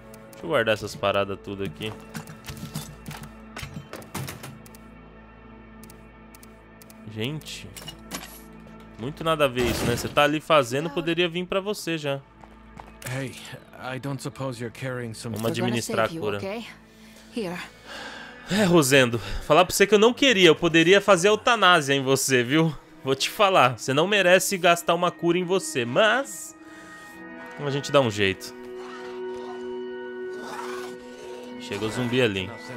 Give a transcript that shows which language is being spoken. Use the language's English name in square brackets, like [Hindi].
[Portuguese] Deixa eu guardar essas paradas tudo aqui. Gente, muito nada a ver isso, né? Você tá ali fazendo, poderia vir pra você já. [English] Hey, I don't suppose you're carrying some... [Portuguese] Vamos administrar a cura. É, Rosendo, falar pra você que eu não queria, eu poderia fazer a eutanásia em você, viu? Vou te falar, você não merece gastar uma cura em você, mas... A gente dá um jeito. Chega o zumbi ali.